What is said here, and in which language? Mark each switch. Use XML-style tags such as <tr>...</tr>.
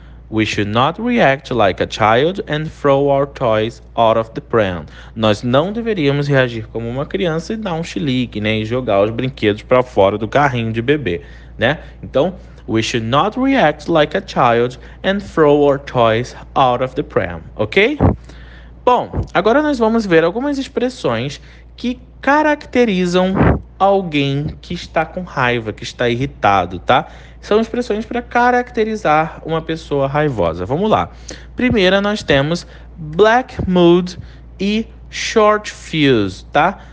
<en>We should not react like a child and throw our toys out of the pram.</en> <pt>Nós não deveríamos reagir como uma criança e dar um chilique, né, e jogar os brinquedos para fora do carrinho de bebê, né? Então,</pt> <en>we should not react like a child and throw our toys out of the pram, ok?</en> <pt>Bom, agora nós vamos ver algumas expressões que caracterizam alguém que está com raiva, que está irritado, tá? São expressões para caracterizar uma pessoa raivosa. Vamos lá. Primeira, nós temos black mood e short fuse, tá?</pt>